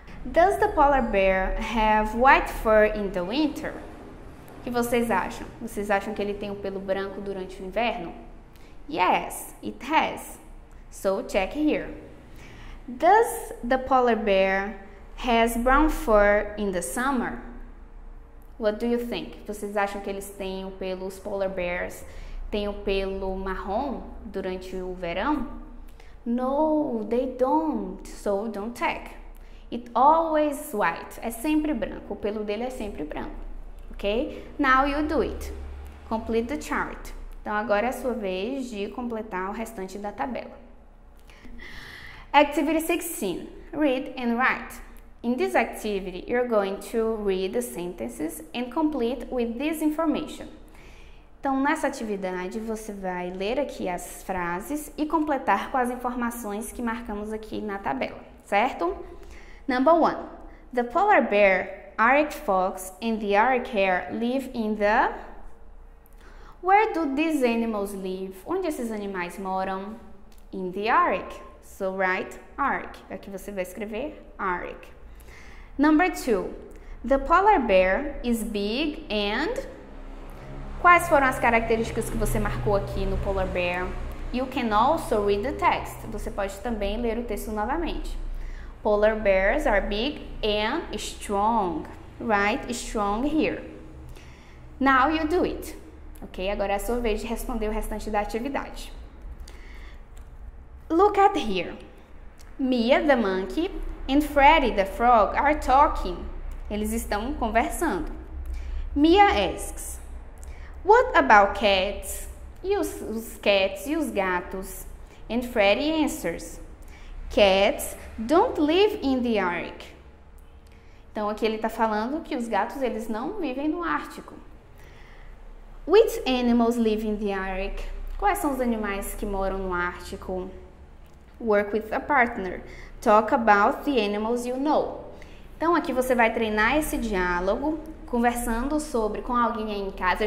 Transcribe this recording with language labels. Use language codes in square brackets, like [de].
[en] Does the polar bear have white fur in the winter? [pt] O que vocês acham? Vocês acham que ele tem o pelo branco durante o inverno? [en] Yes, it has. So check here. Does the polar bear has brown fur in the summer? What do you think? [pt] Vocês acham que eles têm o pelo, os polar bears têm o pelo marrom durante o verão? [en] No, they don't. So don't check. It always white. [pt] É sempre branco. O pelo dele é sempre branco. [en] Okay, now you do it. Complete the chart. [pt] Então agora é a sua vez de completar o restante da tabela. [en] Activity 16. Read and write. In this activity, you're going to read the sentences and complete with this information. [pt] Então nessa atividade, você vai ler aqui as frases e completar com as informações que marcamos aqui na tabela, certo? [en] Number 1. The polar bear Arctic fox and the Arctic hare live in the... Where do these animals live? [pt] Onde esses animais moram? [en] In the Arctic. So write Arctic. [pt] Aqui você vai escrever Arctic. [en] Number 2. The polar bear is big and... [pt] Quais foram as características que você marcou aqui no polar bear? [en] You can also read the text. [pt] Você pode também ler o texto novamente. [en] Polar bears are big and strong. Write strong here. Now you do it. [pt] Ok, agora é a sua vez de responder o restante da atividade. [en] Look at here. Mia, the monkey, and Freddy, the frog, are talking. [pt] Eles estão conversando. [en] Mia asks, what about cats? [pt] E os cats e os gatos? [en] And Freddy answers, cats don't live in the Arctic. [pt] Então, aqui ele está falando que os gatos, eles não vivem no Ártico. [en] Which animals live in the Arctic? [pt] Quais são os animais que moram no Ártico? [en] Work with a partner. Talk about the animals you know. [pt] Então, aqui você vai treinar esse diálogo, conversando sobre com alguém aí em casa.